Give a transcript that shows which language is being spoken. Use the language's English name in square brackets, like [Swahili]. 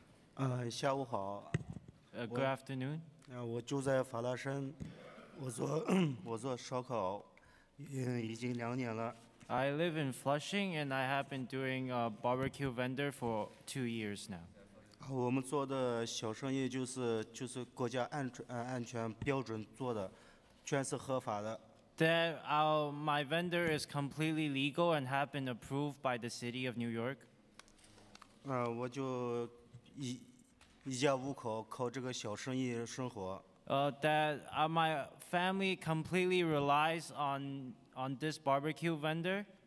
[English] Good afternoon. [Chinese] 我住在法拉盛，我做烧烤，已经两年了。 [English] I live in Flushing and I have been doing a barbecue vendor for 2 years now. [Chinese] 我们做的小生意就是国家安全标准做的，全是合法的。 [English] Then my vendor is completely legal and have been approved by the city of New York. [Chinese] 我就一家五口靠这个小生意生活。 [English] That my family completely relies on this barbecue vendor.